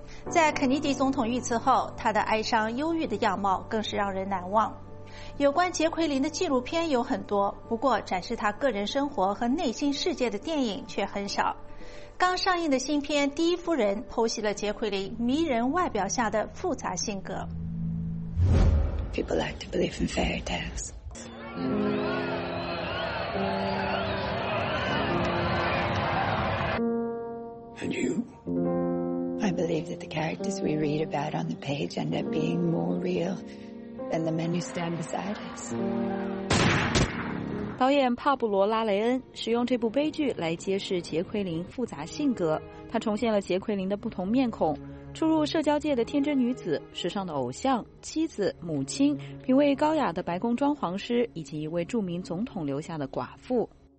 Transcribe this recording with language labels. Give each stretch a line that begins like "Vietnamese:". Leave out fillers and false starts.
Chinese: 在肯尼迪总统遇刺后，她的哀伤忧郁的样貌更是让人难忘。有关杰奎琳的纪录片有很多，不过展示她个人生活和内心世界的电影却很少。刚上映的新片《第一夫人》剖析了杰奎琳迷人外表下的复杂性格。
English: People like to believe in fairy tales. And you? I believe that the characters we read about on the page end up being more real than the men who stand beside us.
Chinese: 导演帕布罗·拉雷恩使用这部悲剧来揭示杰奎琳复杂性格，他重现了杰奎琳的不同面孔：初入社交界的天真女子、时尚的偶像、妻子、母亲、品味高雅的白宫装潢师，以及一位著名总统留下的寡妇。